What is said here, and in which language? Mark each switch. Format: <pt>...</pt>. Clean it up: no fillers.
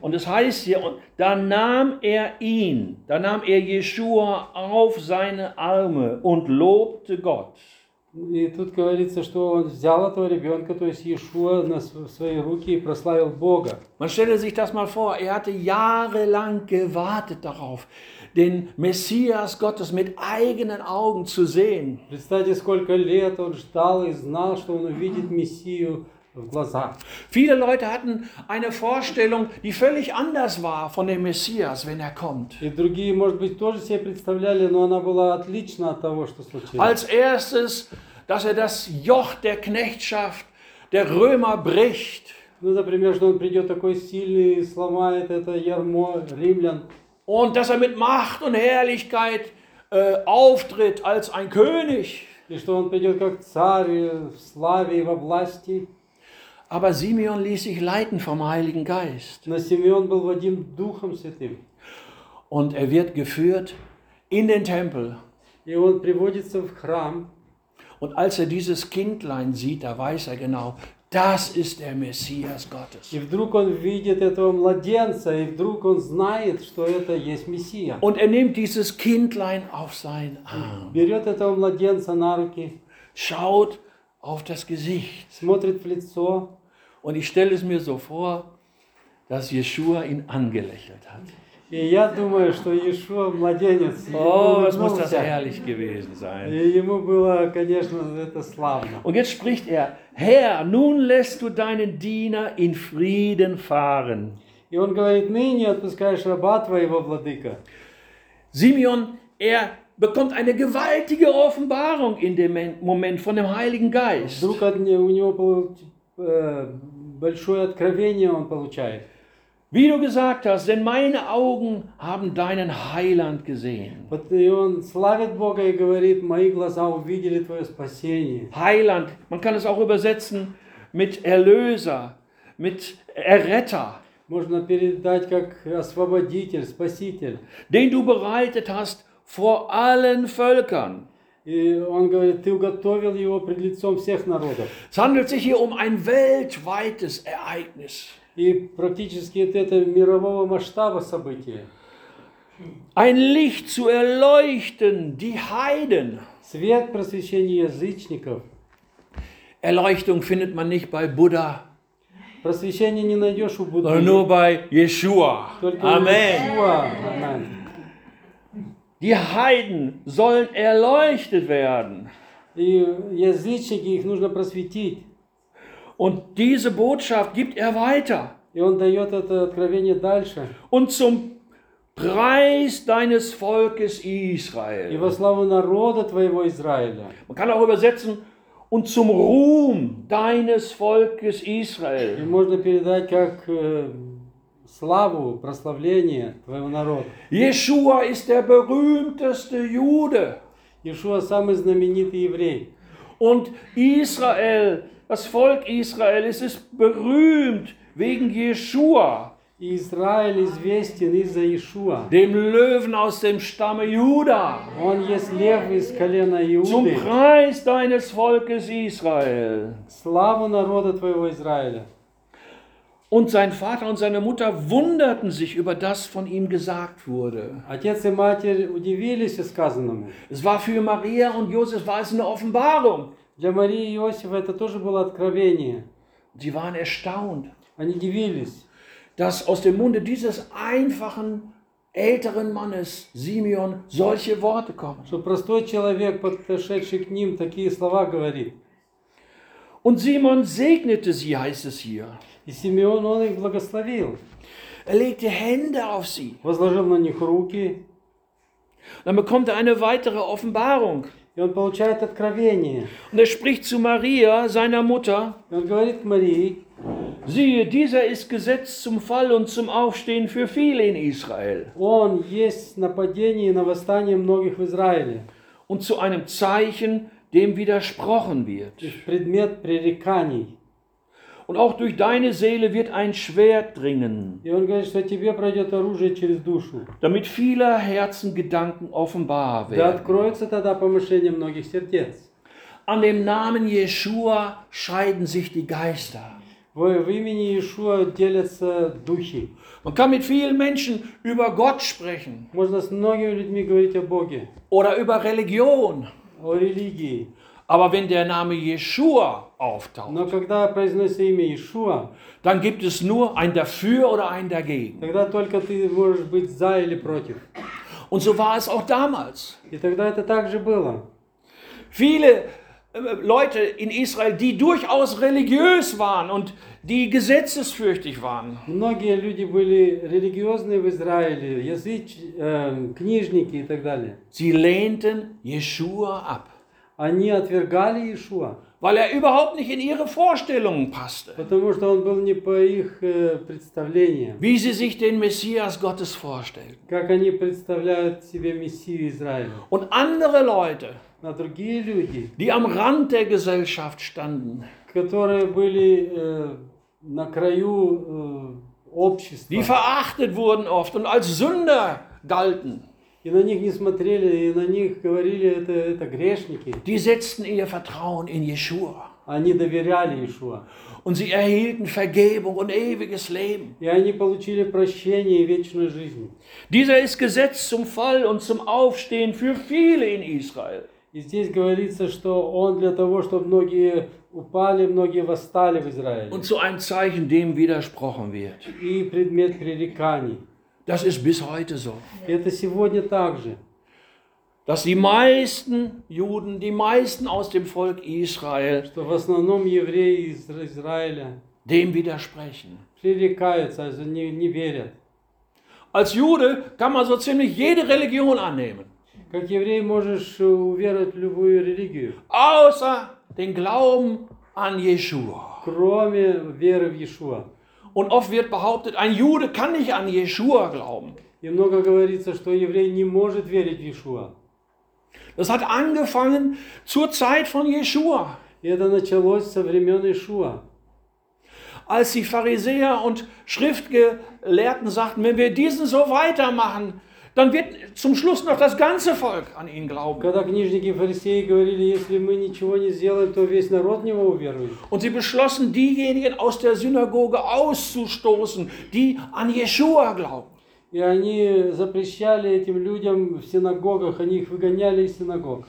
<de>Und es heißt hier, und da nahm er ihn, da nahm er Jeschua auf seine Arme und lobte Gott.</de> <ru>И тут говорится, что он взял этого ребенка, то есть Иешуа, на свои руки и прославил Бога.</ru> <de>Man stelle sich das mal vor, er hatte jahrelang gewartet darauf, den Messias Gottes mit eigenen Augen zu sehen.</de> <ru>Представьте, сколько лет он ждал и знал, что он увидит Мессию в глазах.</ru> <de>Viele Leute hatten eine Vorstellung, die völlig anders war von dem Messias, wenn er kommt.</de> <ru>И другие, может быть, тоже себе представляли, но она была отлична от того, что случилось.</ru> <de>Als erstes, dass er das Joch der Knechtschaft der Römer bricht.</de> <ru>Ну, например, что он придет такой сильный и сломает это ярмо римлян.</ru> <de>Und dass er mit Macht und Herrlichkeit auftritt als ein König.</de> <ru>И что он придет как царь в славе и во власти.</ru> <de>Aber Simeon ließ sich leiten vom Heiligen Geist.</de> <ru>Но Симеон был водим Духом Святым.</ru> <de>Und er wird geführt in den Tempel.</de> <ru>И он приводится в храм.</ru> <de>Und als er dieses Kindlein sieht, da weiß er genau, das ist der Messias Gottes.</de> <ru>И вдруг он видит этого младенца, и вдруг он знает, что это есть Мессия.</ru> <de>Und er nimmt dieses Kindlein auf seinen Arm.</de> <ru>Берет этого младенца на руки.</ru> <de>Schaut auf das Gesicht.</de> <ru>Смотрит в лицо.</ru> <de>Und ich stelle es mir so vor, dass Jeschua ihn angelächelt hat.</de> <ru>И я думаю, что Иешуа младенец.</ru> <de>Oh, es muss das herrlich gewesen sein.</de> <ru>И ему было, конечно, это славно.</ru> <de>Und jetzt spricht er: Herr, nun lässt du deinen Diener in Frieden fahren.</de> <ru>И он говорит: ныне отпускаешь раба твоего, владыка.</ru> <de>Simeon, er bekommt eine gewaltige Offenbarung in dem Moment von dem Heiligen Geist.</de> <ru>Вдруг от него большое откровение он получает.</ru> <de>Wie du gesagt hast, denn meine Augen haben deinen Heiland gesehen.</de> <ru>Вот и он славит Бога и говорит: мои глаза увидели твое спасение.</ru> <de>Heiland, man kann es auch übersetzen mit Erlöser, mit Erretter.</de> <ru>Можно передать как освободитель, спаситель.</ru> <de>Den du bereitet hast vor allen Völkern.</de> <ru>И он говорит: ты уготовил его пред лицом всех народов.</ru> <de>Es handelt sich hier um ein weltweites Ereignis.</de> <ru>И практически это мирового масштаба событие.</ru> <de>Ein Licht zu erleuchten die Heiden.</de> <ru>Свет просвещения язычников.</ru> <de>Erleuchtung findet man nicht bei Buddha.</de> <ru>Просвещение не найдешь у Будды.</ru> <de>Nur bei Yeshua. Amen. Amen. Die Heiden sollen erleuchtet werden.</de> <ru>Die Язычники, их нужно просветить.</ru> <de>Und diese Botschaft gibt er weiter.</de> <ru>И он дает это откровение дальше.</ru> <de>Und zum Preis deines Volkes Israel.</de> <ru>И во славу народа твоего Израиля.</ru> <de>Man kann auch übersetzen: und zum Ruhm deines Volkes Israel.</de> <ru>И можно передать как славу, прославление твоего народа.</ru> <de>Иешуа ist der berühmteste Jude.</de> <ru>Иешуа самый знаменитый еврей.</ru> <de>Und Israel, das Volk Israel, es ist berühmt wegen Jeshua.</de> <ru>Israel известен из-за Иешуа.</ru> <de>Dem Löwen aus dem Stamme Juda.</de> <ru>Он есть лев из колена Иуды.</ru> <de>Zum Preis deines Volkes Israel.</de> <ru>Славу народа твоего Израиля.</ru> <de>Und sein Vater und seine Mutter wunderten sich über das, von ihm gesagt wurde.</de> <ru>Отец и матерь удивились сказанному.</ru> <de>Es war für Maria und Josef war es eine Offenbarung.</de> <ru>Для Марии и Иосифа это тоже было откровение.</ru> <de>Sie waren erstaunt.</de> <ru>Они удивились.</ru> <de>Dass aus dem Munde dieses einfachen älteren Mannes Simeon solche Worte kommen.</de> <ru>Что простой человек, подошедший к ним, такие слова говорит.</ru> <de>Und Simeon segnete sie, heißt es hier.</de> <ru>И Симеон, он их благословил.</ru> <de>Er legte Hände auf sie.</de> <ru>Возложил на них руки.</ru> <de>Dann bekommt er eine weitere Offenbarung.</de> <ru>И он получает откровение.</ru> <de>Und er spricht zu Maria, seiner Mutter.</de> <ru>И он говорит к Марии.</ru> <de>Siehe, dieser ist gesetzt zum Fall und zum Aufstehen für viele in Israel.</de> <ru>Он есть нападение и на восстание многих в Израиле.</ru> <de>Und zu einem Zeichen, dem widersprochen wird.</de> <ru>Предмет пререканий.</ru> <de>Und auch durch deine Seele wird ein Schwert dringen.</de> <ru>И он говорит, что тебе пройдет оружие через душу.</ru> <de>Damit viele Herzen Gedanken offenbar werden.</de> <ru>Да откроется тогда помышление многих сердец.</ru> <de>An dem Namen Yeshua scheiden sich die Geister.</de> <ru>В имени Иешуа делятся духи.</ru> <de>Man kann mit vielen Menschen über Gott sprechen.</de> <ru>Можно с многими людьми говорить о Боге.</ru> <de>Oder über Religion.</de> <ru>О религии.</ru> <de>Aber wenn der Name Yeshua auftaucht,</de> <ru>но когда произносится имя Иешуа,</ru> <de>dann gibt es nur ein dafür oder ein dagegen.</de> <ru>Тогда только ты можешь быть за или против.</ru> <de>Und so war es auch damals.</de> <ru>И тогда это также было.</ru> <de>Viele Leute in Israel, die durchaus religiös waren und die gesetzesfürchtig waren.</de> <ru>Многие люди были религиозны в Израиле, книжники и так далее.</ru> <de>Sie lehnten Yeshua ab.</de> <ru>Они отвергали Иешуа.</ru> <de>Weil er überhaupt nicht in ihre Vorstellungen passte.</de> <ru>Потому что он был не по их представлениям.</ru> <de>Wie sie sich den Messias Gottes vorstellten.</de> <ru>Как они представляют себе Мессию Израиля.</ru> <de>Und andere Leute,</de> <ru>на другие люди,</ru> <de>die am Rand der Gesellschaft standen,</de> <ru>которые были на краю общества,</ru> <de>die verachtet wurden oft und als Sünder galten,</de> <ru>и на них не смотрели, и на них говорили, это грешники,</ru> <de>die setzten ihr Vertrauen in Yeshua,</de> <ru>они доверяли Иешуа,</ru> <de>und sie erhielten Vergebung und ewiges Leben,</de> <ru>и они получили прощение и вечную жизнь.</ru> <de>Dieser ist gesetzt zum Fall und zum Aufstehen für viele in Israel.</de> <ru>И здесь говорится, что он для того, чтобы многие упали, многие восстали в Израиле.</ru> <de>Und zu einem Zeichen, dem widersprochen wird.</de> <ru>И предмет пререканий.</ru> <de>Das ist bis heute so.</de> <ru>И это сегодня также.</ru> <de>Dass die meisten Juden, die meisten aus dem Volk Israel,</de> <ru>что в основном евреи из Израиля,</ru> <de>dem widersprechen.</de> <ru>Пререкаются,</ru> <de>also</de> <ru>не верят.</ru> <de>Als Jude kann man so ziemlich jede Religion annehmen.</de> <ru>Как еврей можешь уверовать в любую религию.</ru> <de>Außer den Glauben an Yeshua.</de> <ru>Кроме веры в Иешуа.</ru> <de>Und oft wird behauptet, ein Jude kann nicht an Yeshua glauben.</de> <ru>И много говорится, что еврей не может верить в Иешуа.</ru> <de>Das hat angefangen zur Zeit von Yeshua.</de> <ru>И это началось со времен Иешуа.</ru> <de>Als die Pharisäer und Schriftgelehrten sagten, wenn wir diesen so weitermachen, dann wird zum Schluss noch das ganze Volk an ihn glauben.</de> <ru>Когда книжники и фарисеи говорили, если мы ничего не сделаем, то весь народ в него уверует.</ru> <de>Und sie beschlossen, diejenigen aus der Synagoge auszustoßen, die an Yeshua glauben.</de> <ru>И они запрещали этим людям в синагогах, они их выгоняли из синагог.</ru>